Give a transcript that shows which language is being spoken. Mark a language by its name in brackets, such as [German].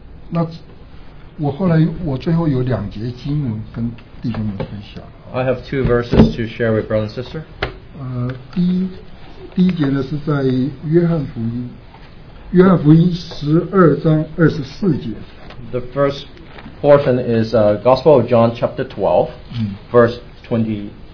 [Chinese] 那我后来我最后有两节经文跟弟兄们分享。 [English] I have two verses to share with brother and sister. [Chinese] 第一节呢是在约翰福音12:24. [English] The first portion is Gospel of John chapter 12, verse 24.